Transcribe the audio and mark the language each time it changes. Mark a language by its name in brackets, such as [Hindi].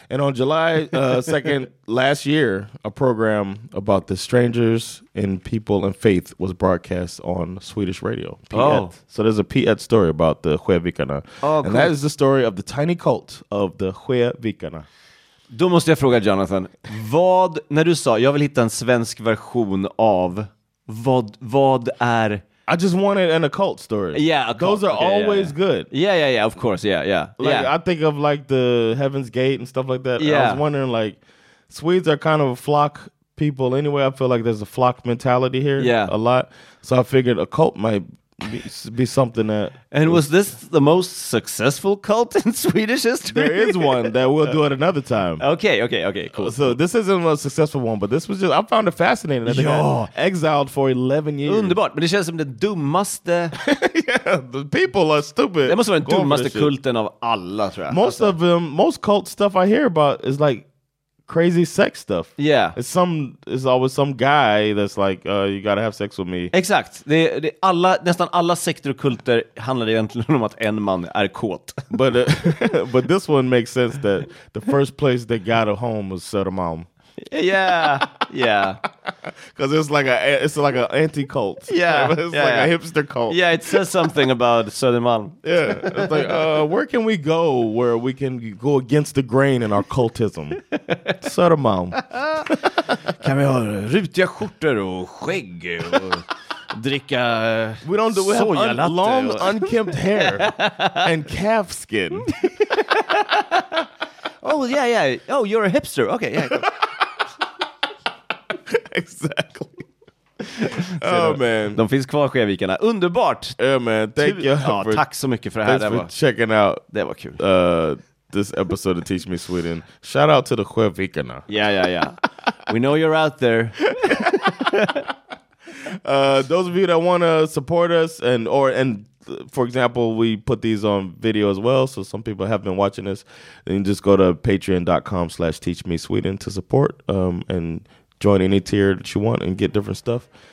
[English] And on July 2nd, last year, a program about the strangers in people and faith was broadcast on Swedish radio. So there's a Piet story about the Skevikarna. Cool. And that is the story of the tiny cult of the Skevikarna. [Swedish] Då måste jag fråga Jonathan, vad, när du sa jag vill hitta en svensk version av, vad är... [English] I just wanted an occult story. Yeah, occult. Those are always good. Yeah, of course, yeah. Like, yeah. I think of like the Heaven's Gate and stuff like that. Yeah. I was wondering like, Swedes are kind of a flock people anyway. I feel like there's a flock mentality here a lot. So I figured a cult might... Be something that... And was this the most successful cult in Swedish history? There is one that we'll do at another time. Okay, cool. So this isn't a successful one, but this was just... I found it fascinating. [Swedish] Ja! [English] Exiled for 11 years. [Swedish] Underbart, men det känns som den dummaste... [English] Yeah, the people are stupid. [Swedish] Det måste vara den dummaste kulten av alla, tror jag. [English] Most of them, most cult stuff I hear about is like crazy sex stuff. Yeah. It's always some guy that's like, you gotta have sex with me. [Swedish] Exakt. Det alla, nästan alla sekter och kulter handlar egentligen om att en man är kåt. [English] But this one makes sense that the first place they got a home was Södermalm. Yeah. Because it's like an anti-cult. Yeah. It's like a hipster cult. Yeah, it says something about Södermalm. Yeah. It's like, where can we go where we can go against the grain in our cultism? Södermalm. [Swedish] Kan vi ha rutiga skjortor och skägg och dricka sojalatte? [English] We have long, unkempt hair and calf skin. Oh, yeah. Oh, you're a hipster. Okay, yeah. Exactly. Oh man. [Swedish] De finns kvar i Skevikarna. Underbart. [English] Yeah man, thank you. [Swedish] Tack så mycket för det här. [English] Thanks for checking out. [Swedish] Det var kul. [English] This episode of Teach Me Sweden. Shout out to the Skevikarna. Yeah. We know you're out there. Those of you that want to support us and for example, we put these on video as well, so some people have been watching this, then you just go to patreon.com/teachmesweden to support and join any tier that you want and get different stuff.